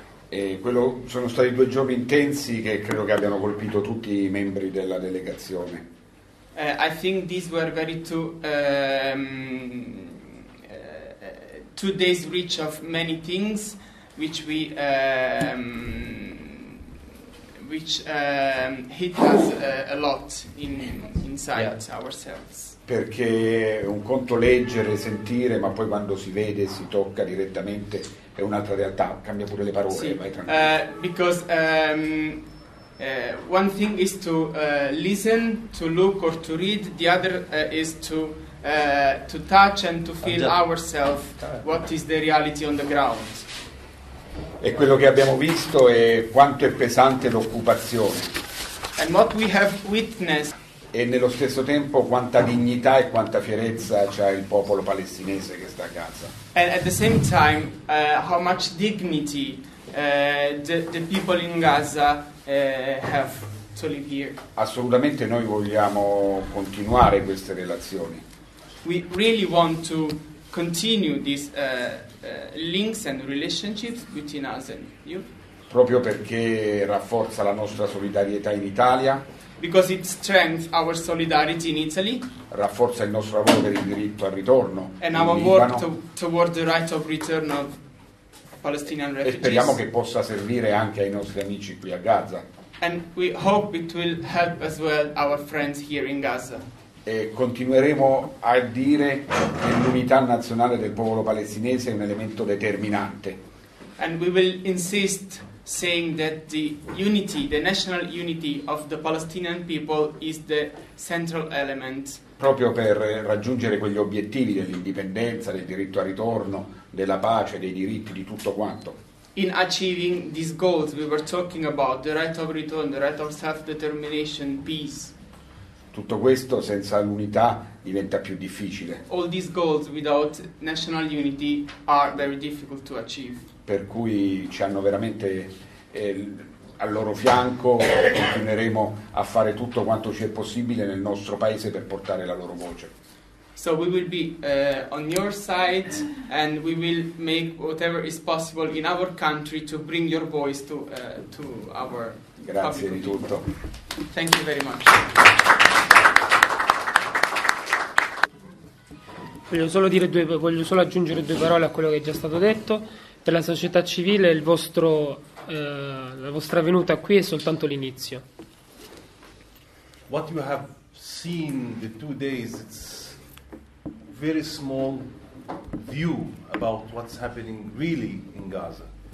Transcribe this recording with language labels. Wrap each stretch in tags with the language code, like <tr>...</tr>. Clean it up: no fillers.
<it>E quello sono stati due giorni intensi che credo che abbiano colpito tutti i membri della delegazione.</it> <en>I think these were very two days rich of many things which hit us a lot inside ourselves.</en> <it>Perché un conto leggere, sentire, ma poi quando si vede, si tocca direttamente, è un'altra realtà, cambia pure le parole, sì. Vai tranquillo.</it> <en>Because one thing is to listen, to look or to read, the other is to touch and to feel ourselves what is the reality on the ground.</en> <it>E quello che abbiamo visto è quanto è pesante l'occupazione.</it> <en>And what we have witnessed.</en> <it>E nello stesso tempo quanta dignità e quanta fierezza c'ha il popolo palestinese che sta a Gaza.</it> <en>And at the same time, how much dignity the people in Gaza have to live here.</en> <it>Assolutamente, noi vogliamo continuare queste relazioni.</it> <en>We really want to continue this. Links and relationships between us and you.</en> <it>Proprio perché rafforza la nostra solidarietà in Italia.</it> <en>Because it strengthens our solidarity in Italy.</en> <it>Rafforza il nostro lavoro per il diritto al ritorno.</it> <en>And our work toward the right of return of Palestinian refugees.</en> <it>E speriamo che possa servire anche ai nostri amici qui a Gaza.</it> <en>And we hope it will help as well our friends here in Gaza.</en> <it>E continueremo a dire che l'unità nazionale del popolo palestinese è un elemento determinante.</it> <en>And we will insist saying that the unity, the national unity of the Palestinian people is the central element.</en> <it>Proprio per raggiungere quegli obiettivi dell'indipendenza, del diritto al ritorno, della pace, dei diritti, di tutto quanto.</it> <en>In achieving these goals we were talking about, the right of return, the right of self-determination, peace.</en> <it>Tutto questo senza l'unità diventa più difficile.</it> <en>All these goals without national unity are very difficult to achieve.</en> <it>Per cui ci hanno veramente al loro fianco, continueremo a fare tutto quanto ci è possibile nel nostro paese per portare la loro voce.</it> <en>So we will be on your side and we will make whatever is possible in our country to bring your voice to our</en> <it>grazie di tutto.</it> <en>Thank you very much.</en> <it>Voglio solo aggiungere due parole a quello che è già stato detto. Per la società civile il vostro la vostra venuta qui è soltanto l'inizio.</it> <en>What you have seen the two days, it's very small view about what's happening really in Gaza.</en>